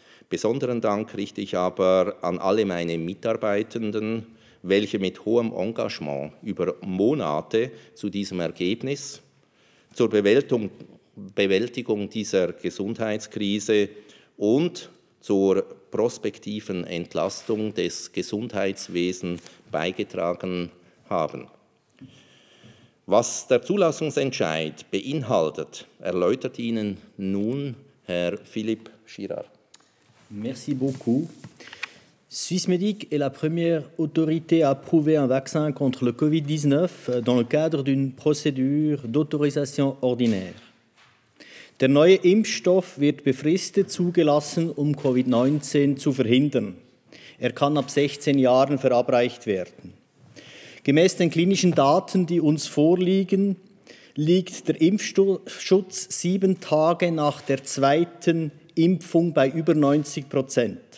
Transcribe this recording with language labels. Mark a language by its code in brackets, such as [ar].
[de] Besonderen Dank richte ich aber an alle meine Mitarbeitenden, welche mit hohem Engagement über Monate zu diesem Ergebnis, zur Bewältigung dieser Gesundheitskrise und zur prospektiven Entlastung des Gesundheitswesens beigetragen haben. Was der Zulassungsentscheid beinhaltet, erläutert Ihnen nun Herr Philippe Girard. [fr] Merci beaucoup. Swissmedic est la première autorité à approuver un vaccin contre le COVID-19 dans le cadre d'une procédure d'autorisation ordinaire. [de] Der neue Impfstoff wird befristet zugelassen, um COVID-19 zu verhindern. Er kann ab 16 Jahren verabreicht werden. Gemäß den klinischen Daten, die uns vorliegen, liegt der Impfschutz 7 Tage nach der zweiten Impfung bei über 90%.